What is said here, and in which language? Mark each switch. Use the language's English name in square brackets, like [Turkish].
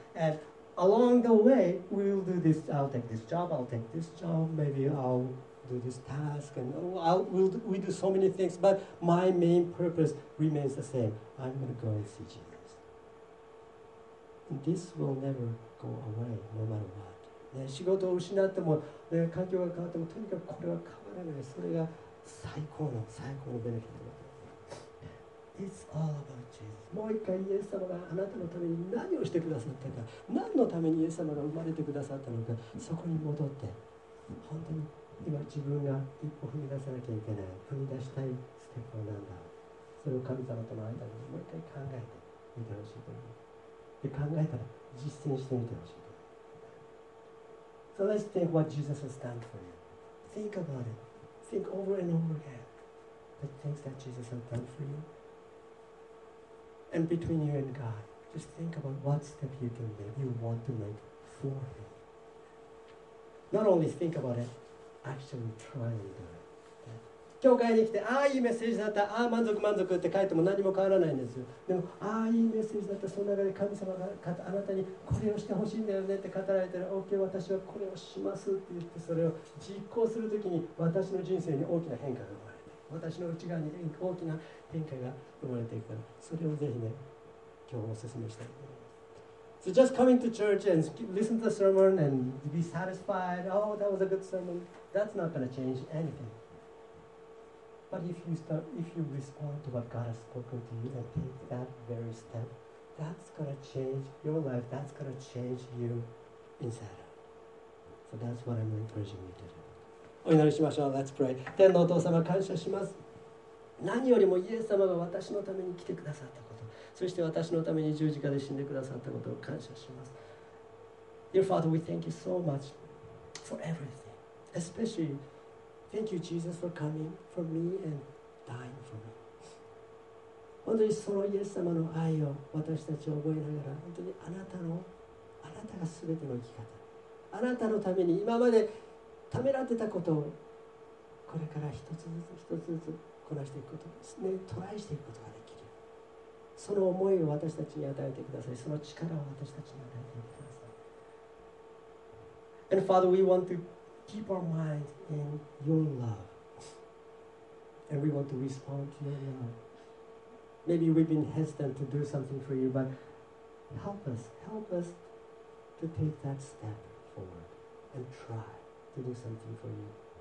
[English] And along the way, we'll do this. I'll take this job. Maybe I'll. Do this task, and we do so many things, but my main purpose remains the same. I'm going to go and see Jesus. And this will never go away, no matter what. [Japanese] 仕事を失っても、環境が変わっても、とにかくこれは変わらない。それが最高の、最高のベネフィットだ。 [English] It's all about Jesus. [Japanese] もう一回イエス様があなたのために何をしてくださったか、何のためにイエス様が生まれてくださったのか、そこに戻って、本当に今自分が一歩踏み出さなきゃいけない、踏み出したいステップは何だ、それを神様との間にもう一回考えてみてほしいと思う。で、考えたら実践してみてほしいと思う。 [English] So let's think what Jesus has done for you. Think about it. Think over and over again the things that Jesus has done for you. And between you and God, just think about what step you can make, you want to make for Him. Not only think about itActually try and do it. [Japanese] 教会に来て、ああいいメッセージだった、ああ満足満足って書いても何も変わらないんですよ。でも、ああいいメッセージだった、その中で神様があなたにこれをしてほしいんだよねって語られたら、OK、私はこれをしますって言って、それを実行するときに私の人生に大きな変化が生まれて、私の内側に大きな変化が生まれていくから、それをぜひね、今日お勧めしたい。 [English] So just coming to church and listen to the sermon and be satisfied, oh, that was a good sermon, that's not going to change anything. But if you respond to what God has spoken to you and take that very step, that's going to change your life, that's going to change you inside out. So that's what I'm encouraging you to do. [Japanese] お祈りしましょう。 [English] Let's pray. [Japanese] 天のお父様、感謝します。何よりもイエス様が私のために来てくださったこと、そして私のために十字架で死んでくださったことを感謝します。 [English] Dear Father, we thank you so much for everything. Especially, thank you, Jesus, for coming for me and dying for me. [Japanese] 本当にそのイエス様の愛を私たちを覚えながら、本当にあなたが全ての生き方、あなたのために今までためらってたことを、これから一つずつ一つずつこなしていくことですね、トライしていくことができる。その思いを私たちに与えてください。その力を私たちに与えてください。 [English] And Father, we want to keep our mind in your love. And we want to respond to your love. Maybe we've been hesitant to do something for you, but help us to take that step forward and try to do something for you.